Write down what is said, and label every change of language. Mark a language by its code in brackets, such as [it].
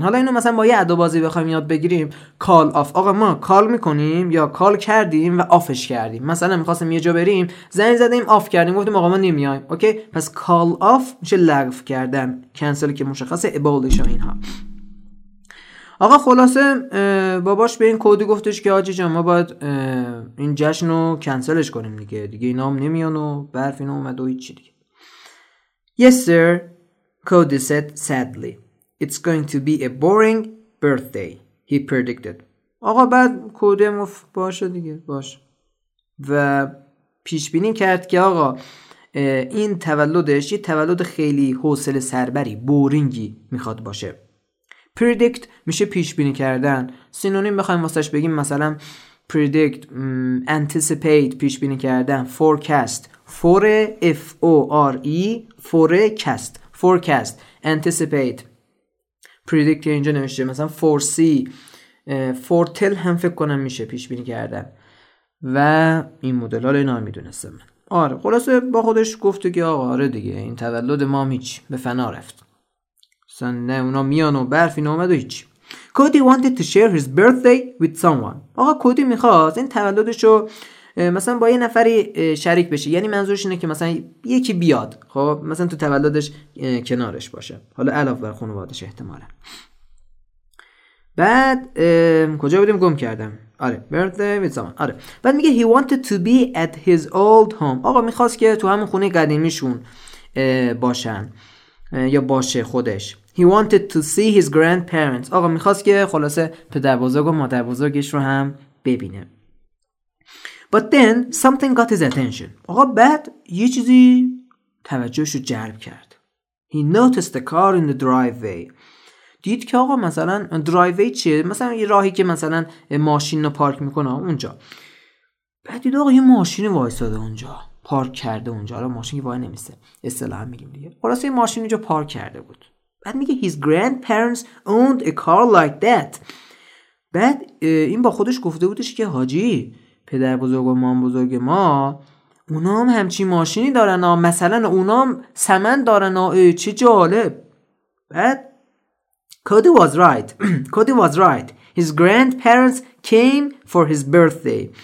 [fa] حالا اینو مثلا با یه ادا بازی بخوایم یاد بگیریم، کال آف، آقا ما کال میکنیم یا کال کردیم و آفش کردیم، مثلا میخواستیم یه جا بریم زنگ زدیم آف کردیم گفتیم آقا ما نمیایم، اوکی؟ پس کال آف میشه لغو کردن، کنسل که مشخصه، ابولیش و اینها. آقا خلاصه باباش به این کودی گفتش که آجی جان ما باید این جشن رو کنسلش کنیم دیگه، دیگه اینا هم نمیان و برف اینا اومد و هیچی دیگه. [en] Yes sir, Cody said sadly. It's going to be a boring birthday, he predicted. [fa] آقا بعد کودی هم گفت باشه دیگه باش. و پیشبینی کرد که آقا این تولدش یه تولد خیلی حوصله سربری، بورینگی میخواد باشه. Predict میشه پیشبینی کردن. سینونیم بخوایم واسهش بگیم مثلا predict، anticipate پیشبینی کردن، forecast، for f o r e forecast، forecast، anticipate، predict اینجا نمیشه، مثلا foresee، foretell هم فکر کنم میشه پیش بینی کردن و این مدل ها رو اینا میدونستم. آره خلاصه با خودش گفت که آقا آره دیگه این تولد ما هیچ به فنا رفت، مثلا نه اونا میان و برف اینا اومد و هیچ. [en] Cody wanted to share his birthday with someone. [fa] آقا کودی میخواست این تولدشو مثلا با یه نفری شریک بشه، یعنی منظورش اینه که مثلا یکی بیاد خب مثلا تو تولدش کنارش باشه، حالا علاوه بر خانوادش احتماله. بعد کجا بودیم گم کردم، آره [en] birthday with someone، [fa] آره بعد میگه [en] he wanted to be at his old home. [fa] آقا میخواست که تو همون خونه قدیمیشون باشن یا باشه خودش. [en] He wanted to see his grandparents. [fa] آقا میخواست که خلاصه پدر بزرگ و مادر بزرگش رو هم ببینه. [en] But then something got his attention. [fa] آقا بعد یه چیزی توجهش رو جلب کرد. [en] He noticed the car in the driveway. [fa] دید که آقا مثلا driveway چیه؟ مثلا یه راهی که مثلا ماشین رو پارک میکنه اونجا. بعد دید آقا یه ماشین وایساده اونجا، پارک کرده اونجا. حالا ماشین که وای نمیسته، اصطلاحا میگیم دیگه. خلاصه یه ماشین اونجا پارک کرده بود. بعد میگه [en] his grandparents owned a car like that. [fa] بعد این با خودش گفته بودش که حاجی پدر بزرگ و مام بزرگ ما اونا هم همچین ماشینی دارن ها، مثلا اونا هم سمن دارن ها، چه جالب. بعد [en] Cody was right. Cody was right. His grandparents came for his birthday.